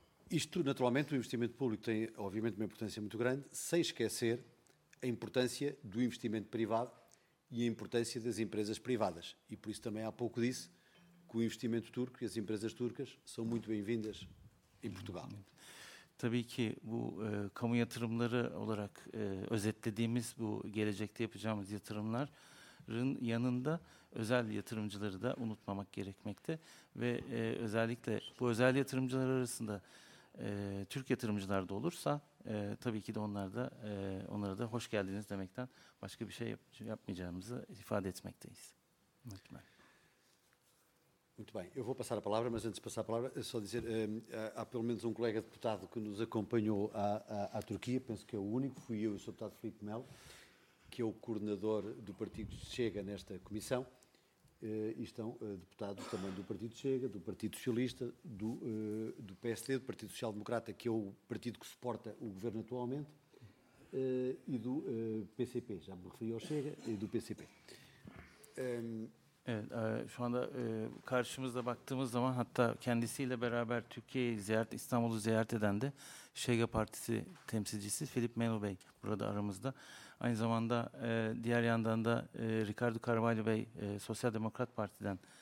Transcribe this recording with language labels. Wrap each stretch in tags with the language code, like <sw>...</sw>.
<pt>Isto naturalmente o investimento público tem obviamente uma importância muito grande, sem esquecer a importância do investimento privado e a importância das empresas privadas. E por isso também há pouco disse que o investimento turco e as empresas turcas são muito bem-vindas em Portugal.</pt> <tr>Tabii ki bu kamu yatırımları olarak özetlediğimiz bu gelecekte yapacağımız yatırımların yanında özel yatırımcıları da unutmamak gerekmekte. Ve özellikle bu özel yatırımcılar arasında Türk yatırımcılar da olursa tabii ki de onlara da hoş geldiniz demekten başka bir şey yapmayacağımızı ifade etmekteyiz. Mutlaka.</tr> <pt>Muito bem, eu vou passar a palavra, mas antes de passar a palavra, é só dizer, há pelo menos um colega deputado que nos acompanhou à Turquia, penso que é o único, fui eu e o Sr. Deputado Filipe Melo, que é o coordenador do Partido Chega nesta comissão, e estão deputados também do Partido Chega, do Partido Socialista, do PSD, do Partido Social Democrata, que é o partido que suporta o governo atualmente, e do PCP, já me referi ao Chega, e do PCP.</pt> <tr>Evet, şu anda karşımızda baktığımız zaman hatta kendisiyle beraber İstanbul'u ziyaret eden de Şege Partisi temsilcisi Filip Melo Bey burada aramızda. Aynı zamanda diğer yandan da Ricardo Carvalho Bey Sosyal Demokrat Parti'den</tr>